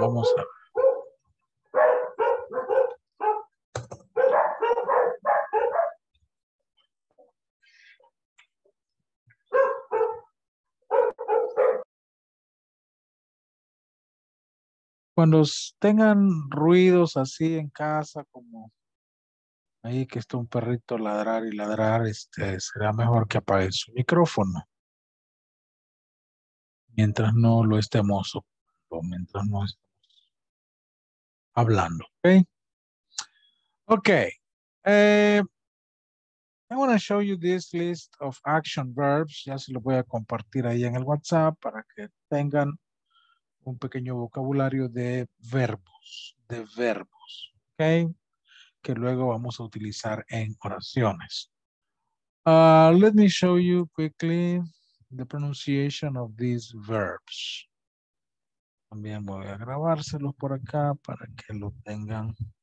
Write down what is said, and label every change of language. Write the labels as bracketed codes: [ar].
[es] Vamos a cuando tengan ruidos así en casa, como ahí que está un perrito ladrar y ladrar, será mejor que apaguen su micrófono. Mientras no lo estemos ocupando, mientras no estemos hablando, ¿ok? Ok. [en] I want to show you this list of action verbs. [es] Ya se lo voy a compartir ahí en el WhatsApp para que tengan un pequeño vocabulario de verbos, ¿ok? Que luego vamos a utilizar en oraciones. [en] Let me show you quickly the pronunciation of these verbs. [es] También voy a grabárselos por acá para que lo tengan.